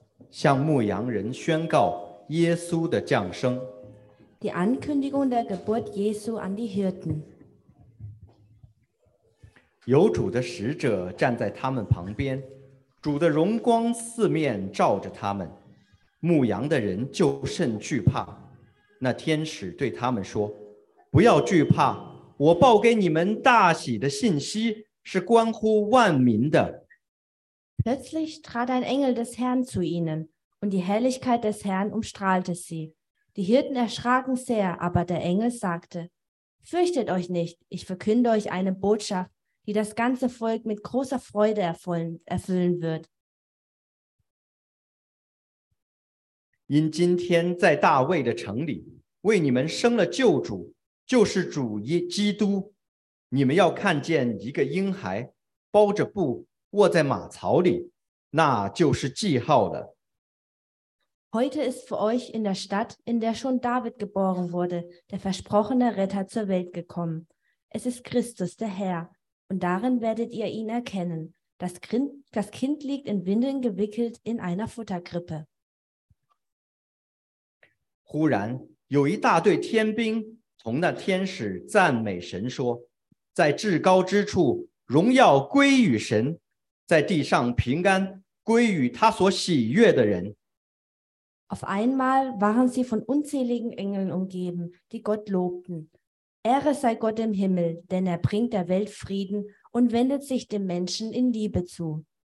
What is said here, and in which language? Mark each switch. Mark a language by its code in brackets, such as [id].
[zh] 向牧羊人宣告耶稣的降生。 [de] Die Ankündigung der Geburt Jesu an die Hirten. [zh] 有主的使者站在他们旁边，主的荣光四面照着他们，牧羊的人就甚惧怕。那天使对他们说：“不要惧怕，我报给你们大喜的信息是关乎万民的。” [de] Plötzlich trat ein Engel des Herrn zu ihnen, und die Helligkeit des Herrn umstrahlte sie. Die Hirten erschraken sehr, aber der Engel sagte: Fürchtet euch nicht, ich verkünde euch eine Botschaft, die das ganze Volk mit großer Freude erfüllen wird. [zh] In 今天在大卫的城里，为你们生了救主，就是主耶基督。你们要看见一个婴孩，包着布卧在马槽里，那就是记号的。 [de] Heute ist für euch in der Stadt, in der schon David geboren wurde, der versprochene Retter zur Welt gekommen. Es ist Christus, der Herr, und darin werdet ihr ihn erkennen. Das Kind liegt in Windeln gewickelt in einer Futterkrippe. [zh] 忽然，有一大队天兵同那天使赞美神说：“在至高之处，荣耀归于神。” 在地上平安归于他所喜悦的人。 [de] Auf einmal waren sie von unzähligen Engeln umgeben, die Gott lobten. Ehre sei Gott im Himmel, denn bringt der Welt Frieden und wendet sich dem Menschen in Liebe zu.